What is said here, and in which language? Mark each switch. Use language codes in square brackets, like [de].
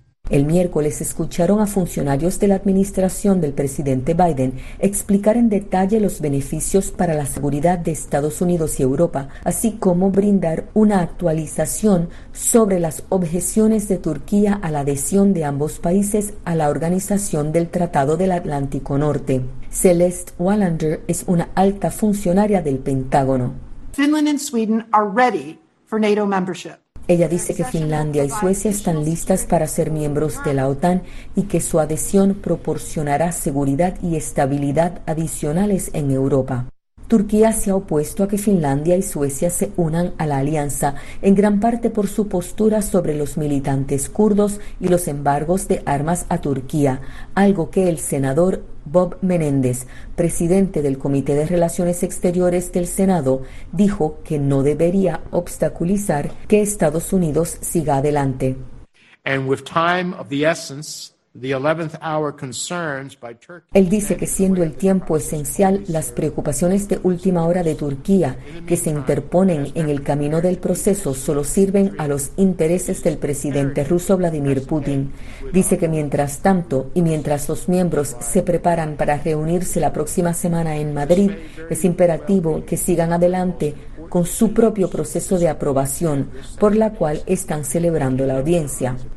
[es] El miércoles escucharon a funcionarios de la administración del presidente Biden explicar en detalle los beneficios para la seguridad de Estados Unidos y Europa, así como brindar una actualización sobre las objeciones de Turquía a la adhesión de ambos países a la Organización del Tratado del Atlántico Norte. Celeste Wallander es una alta funcionaria del Pentágono. [en] Finland and Sweden are ready for NATO membership. [es] Ella dice que Finlandia y Suecia están listas para ser miembros de la OTAN y que su adhesión proporcionará seguridad y estabilidad adicionales en Europa. Turquía se ha opuesto a que Finlandia y Suecia se unan a la alianza, en gran parte por su postura sobre los militantes kurdos y los embargos de armas a Turquía, algo que el senador Bob Menéndez, presidente del Comité de Relaciones Exteriores del Senado, dijo que no debería obstaculizar que Estados Unidos siga adelante. [en] And with time of the essence, the 11th hour concerns by Turkey. [es] Él dice que siendo el tiempo esencial, las preocupaciones de última hora de Turquía que se interponen en el camino del proceso solo sirven a los intereses del presidente ruso Vladimir Putin. Dice que mientras tanto y mientras los miembros se preparan para reunirse la próxima semana en Madrid, es imperativo que sigan adelante con su propio proceso de aprobación por la cual están celebrando la audiencia.